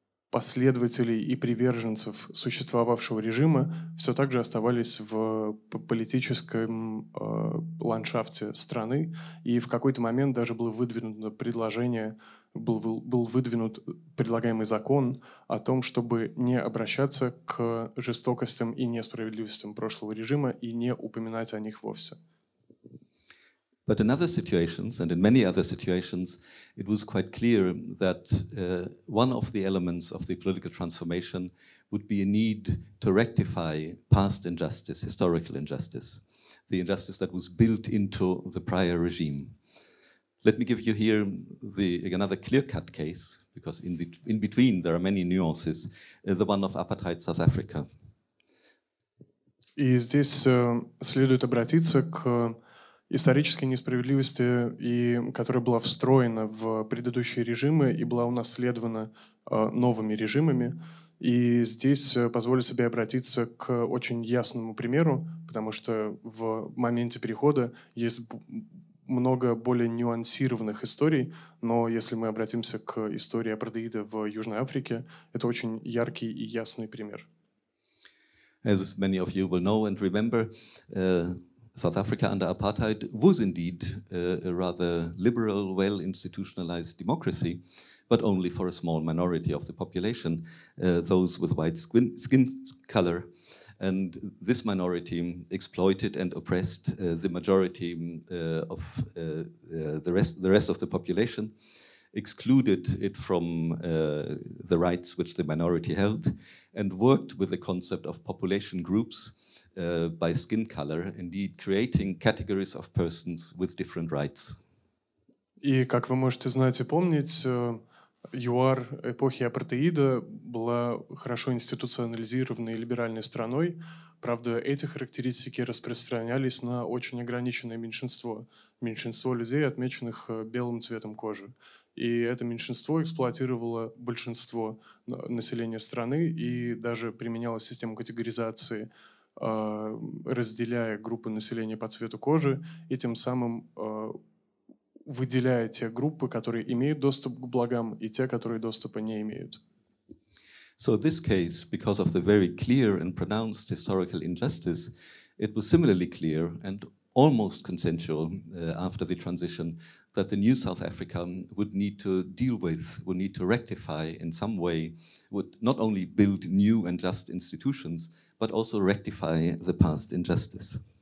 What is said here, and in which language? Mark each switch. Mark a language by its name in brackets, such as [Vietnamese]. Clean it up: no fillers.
[Russian] последователей и приверженцев существовавшего режима все так же оставались в политическом ландшафте страны, и в какой-то момент даже было выдвинуто предложение, был выдвинут предлагаемый закон о том, чтобы не обращаться к жестокостям и несправедливостям прошлого режима и не упоминать о них вовсе. [English] But in other situations, and in many other situations, it was quite clear that one of the elements of the political transformation would be a need to rectify past injustice, historical injustice, the injustice that was built into the prior regime. Let me give you here another clear-cut case, because in between there are many nuances, the one of apartheid South Africa. [Russian] И здесь следует обратиться к исторической несправедливости, и которая была встроена в предыдущие режимы и была унаследована новыми режимами. И здесь позволю себе обратиться к очень ясному примеру, потому что в моменте перехода есть много более нюансированных историй, но если мы обратимся к истории апартеида в Южной Африке, это очень яркий и ясный пример. [English] As many of you will know and remember, South Africa under apartheid was indeed a rather liberal, well-institutionalized democracy, but only for a small minority of the population, those with white skin color. And this minority exploited and oppressed the majority of the rest of the population, excluded it from the rights which the minority held, and worked with the concept of population groups by skin color, indeed creating categories of persons with different rights. [Russian] И как вы можете знать и помнить, ЮАР эпохи апартеида была хорошо институционализированной либеральной страной. Правда, эти характеристики распространялись на очень ограниченное меньшинство людей, отмеченных белым цветом кожи. И это меньшинство эксплуатировало большинство населения страны и даже применяло систему категоризации, разделяя группы населения по цвету кожи и тем самым выделяя те группы, которые имеют доступ к благам, и те, которые доступа не имеют. [English] So this case, because of the very clear and pronounced historical injustice, it was similarly clear and almost consensual after the transition that the new South Africa would need to deal with, would need to rectify in some way, would not only build new and just institutions, but also rectify the past injustice.